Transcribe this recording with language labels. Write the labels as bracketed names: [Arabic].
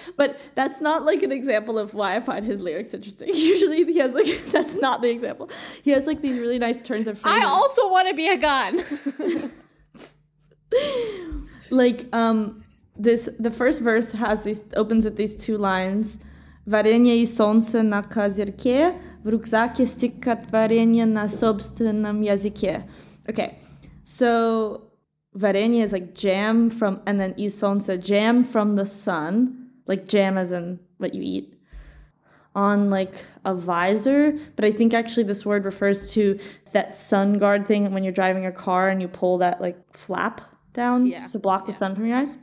[English] But that's not like an example of why I find his lyrics interesting. Usually he has like, that's not the example. He has like these really nice turns of phrase. I also want to be a gun. Like the first verse opens with these two lines. [Russian] Варенье и солнце на козырьке, в рюкзаке стик от варенья на собственном языке. [English] Okay, so [Russian] варенье [English] is like jam from, and then [Russian] и солнце, [English] jam from the sun, like jam as in what you eat, on like a visor. But I think actually this word refers to that sun guard thing when you're driving a car and you pull that like flap down to block the sun from your eyes.